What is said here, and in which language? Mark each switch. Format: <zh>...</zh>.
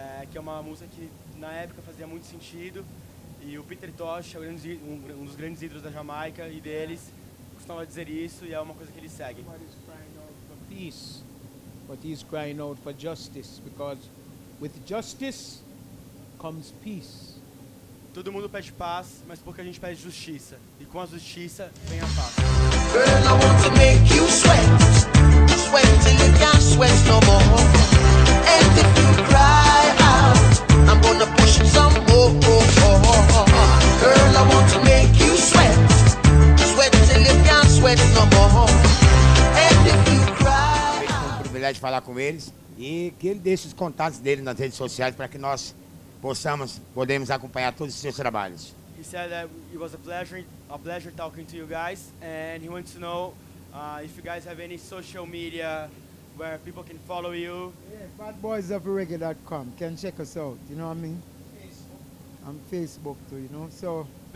<pt>Que é uma música que na época fazia muito sentido, e o Peter Tosh, um dos grandes ídolos da Jamaica e deles, costumava dizer isso, e é uma coisa que ele segue.</pt> <en>But he's crying out for peace, but he's crying out for justice, because with justice comes peace.</en> <pt>Todo mundo pede paz, mas porque a gente pede justiça, e com a justiça vem a paz.</pt> <en>Girl, I want to make you sweat, sweat till you can't sweat no more, and if you cry, I'm gonna push it some more. Girl, I want to make you sweat, sweat till you can't sweat no more, and if you cry.</en> <pt>É um privilégio falar com eles e que ele deixe os contatos dele nas redes sociais para que nós podemos acompanhar todos os seus trabalhos.</pt> <en>He said that it was a pleasure talking to you guys, and he wants to know if you guys have any social media where people can follow you. Yeah, badboysofreggae.com. Can check us out, you know what I mean? Facebook. I'm Facebook too, you know? So</en>